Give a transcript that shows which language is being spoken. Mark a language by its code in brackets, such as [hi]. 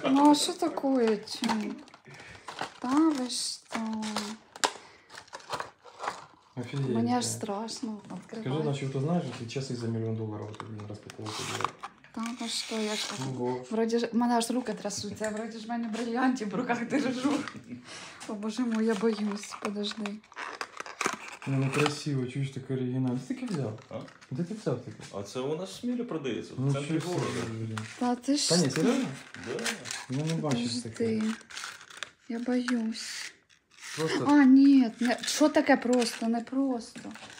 [uk] Ну а що таке, чим? Та ви що? [ru] Офигеть. [uk] Мені аж страшно відкривати. Скажи, значить, ти знаєш, що зараз і за мільйон доларів розпаковувати буде. Так, а що, як? Вроді ж, в мене аж руки трясуться, а вроді ж в мене брильянтів в руках держу. [ru] О, боже мой, я боюсь, подожди. [uk] Ну, красиво, чуєш, такий оригінал. Ти таке взяв? А? Де ти взяв таке? А це у нас в Смілі продається, в центрі города. Та ти що? Та ні, це реально? [ru] Да. [uk] Я не бачу таке. Я боюсь. Просто... А, ні, не... що таке просто, не просто.